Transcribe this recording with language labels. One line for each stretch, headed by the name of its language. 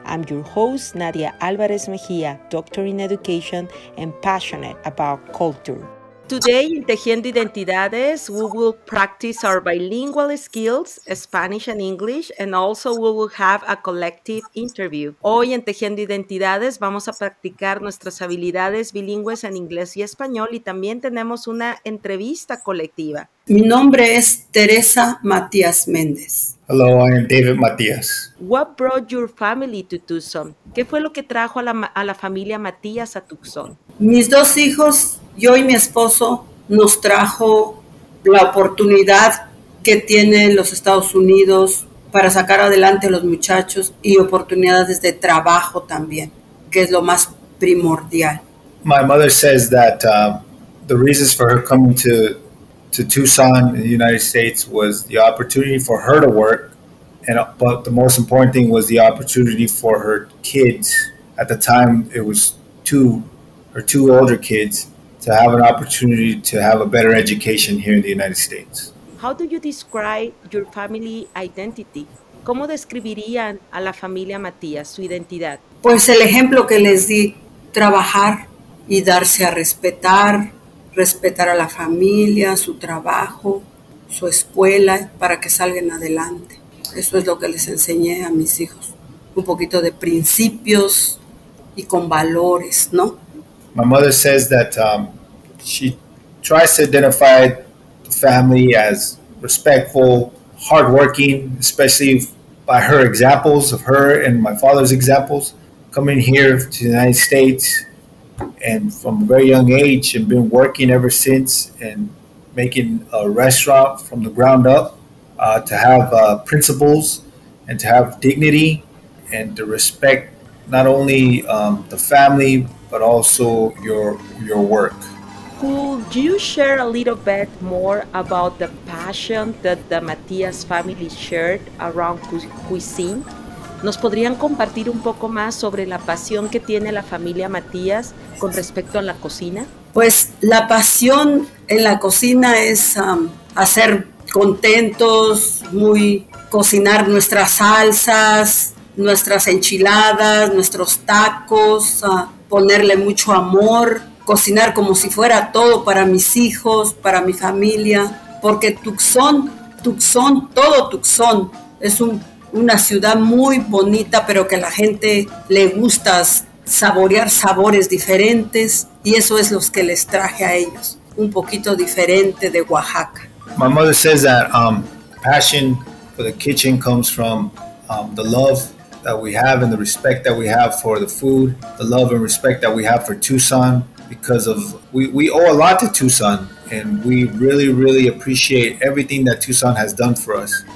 English: I'm your host, Nadia Alvarez Mejia, doctor in education and passionate about culture. Today in Tejiendo Identidades, we will practice our bilingual skills, Spanish and English, and also we will have a collective interview.
Spanish: Hoy en Tejiendo Identidades vamos a practicar nuestras habilidades bilingües en inglés y español y también tenemos una entrevista colectiva. Mi nombre es Teresa Matías Méndez.
English: Hello, I am David Matías. What brought your family to Tucson?
Spanish: ¿Qué fue lo que trajo a la familia Matías a Tucson? Mis dos hijos, yo y mi esposo, nos trajo la oportunidad que tienen los Estados Unidos para sacar adelante a los muchachos y oportunidades de trabajo también, que es lo más primordial.
English: My mother says that the reasons for her coming to Tucson in the United States was the opportunity for her to work, but the most important thing was the opportunity for her kids. At the time, it was her two older kids to have an opportunity to have a better education here in the United States. How do you describe your family identity?
Spanish: ¿Cómo describirían a la familia Matías su identidad? Pues el ejemplo que les di, trabajar y darse a respetar, respetar a la familia, su trabajo, su escuela, para que salgan adelante. Eso es lo que les enseñé a mis hijos, un poquito de principios y con valores, ¿no?
English: My mother says that she tries to identify the family as respectful, hardworking, especially by her examples of her and my father's examples coming here to the United States and from a very young age and been working ever since and making a restaurant from the ground up to have principles and to have dignity and to respect not only the family, but also your work. Could you share a little bit more about the passion that the Matías family shared around cuisine?
Spanish: ¿Nos podrían compartir un poco más sobre la pasión que tiene la familia Matías con respecto a la cocina? Pues la pasión en la cocina es hacer contentos, muy cocinar nuestras salsas, nuestras enchiladas, nuestros tacos, ponerle mucho amor, cocinar como si fuera todo para mis hijos, para mi familia, porque Tucson, todo Tucson, es una ciudad muy bonita, pero que a la gente le gusta saborear sabores diferentes, y eso es lo que les traje a ellos, un poquito diferente de Oaxaca.
English: My mother says that passion for the kitchen comes from the love that we have and the respect that we have for the food, the love and respect that we have for Tucson, because of we owe a lot to Tucson, and we really, really appreciate everything that Tucson has done for us.